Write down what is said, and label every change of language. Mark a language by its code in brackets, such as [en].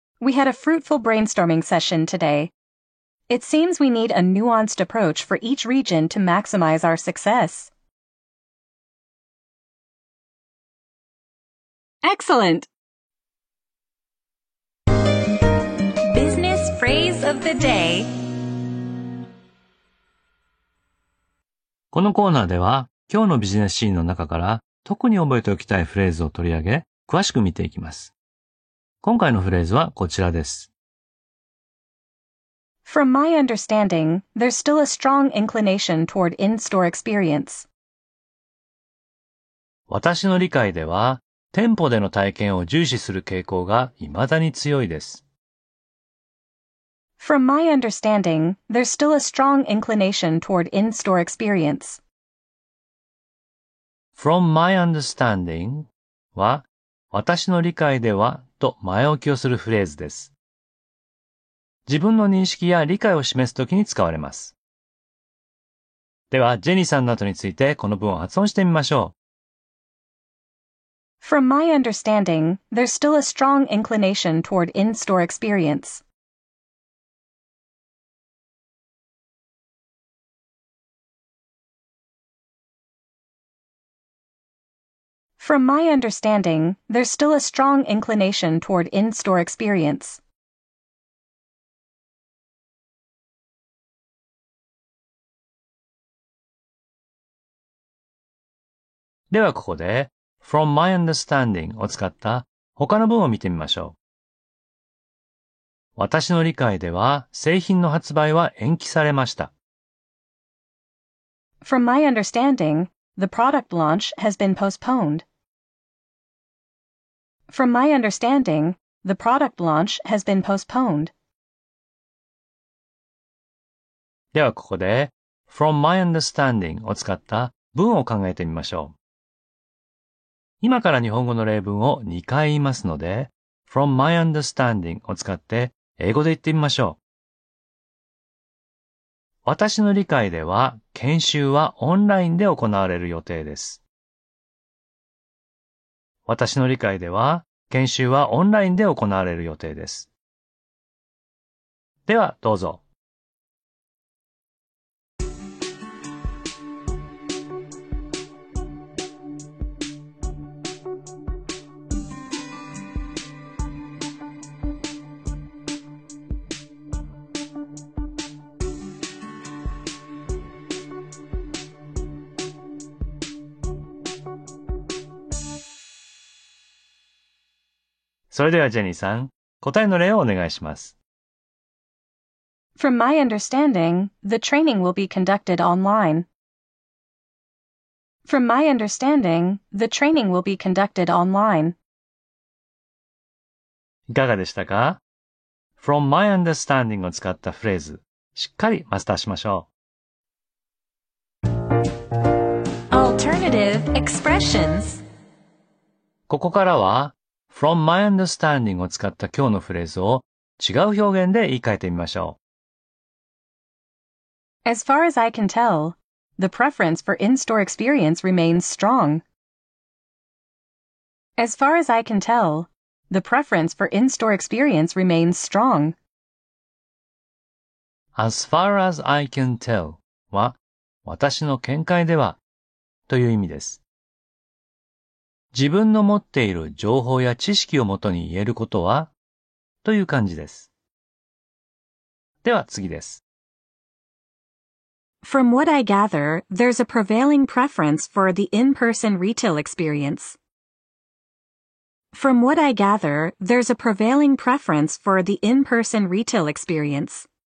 [en] We had a fruitful brainstorming session today. It seems we need a nuanced approach for each region to maximize our success. Excellent! Business phrase of the day. [ja] このコーナーでは今日のビジネスシーンの中から特に覚えておきたいフレーズを取り上げ、詳しく見ていきます。今回のフレーズはこちらです。 [en] From my understanding, there's still a strong inclination toward in-store experience. [ja] 私の理解では、店舗での体験を重視する傾向が未だに強いです。 [en] From my understanding, there's still a strong inclination toward in-store experience. From my understanding [ja] は、私の理解ではと前置きをするフレーズです。自分の認識や理解を示すときに使われます。では、ジェニーさんなどについてこの文を発音してみましょう。 [en] From my understanding, there's still a strong inclination toward in-store experience. From my understanding, there's still a strong inclination toward in-store experience. [ja] ではここで、 [en] from my understanding [ja] を使った他の文を見てみましょう。私の理解では、製品の発売は延期されました。 [en] From my understanding, the product launch has been postponed. From my understanding, the product launch has been postponed. [ja] ではここで、 [en] from my understanding [ja] を使った文を考えてみましょう。今から日本語の例文を2回言いますので、 [en] from my understanding [ja] を使って英語で言ってみましょう。私の理解では、研修はオンラインで行われる予定です。私の理解では、研修はオンラインで行われる予定です。では、どうぞ。それではジェニーさん、答えの例をお願いします。 [en] From my understanding, the training will be conducted online. From my understanding, the training will be conducted online. [ja] いかがでしたか? [en] From my understanding [ja] を使ったフレーズ、しっかりマスターしましょう。 [en] Alternative expressions. [ja] ここからは、 [en] From my understanding [ja] を使った今日のフレーズを違う表現で言い換えてみましょう。 [en] As far as I can tell, the preference for in-store experience remains strong. As far as I can tell, the preference for in-store experience remains strong. As far as I can tell [ja] は私の見解ではという意味です。自分の持っている情報や知識をもとに言えることは、という感じです。では次です。 [en] From what I gather, there's a prevailing preference for the in-person retail experience. From what I gather, there's a prevailing preference for the in-person retail experience.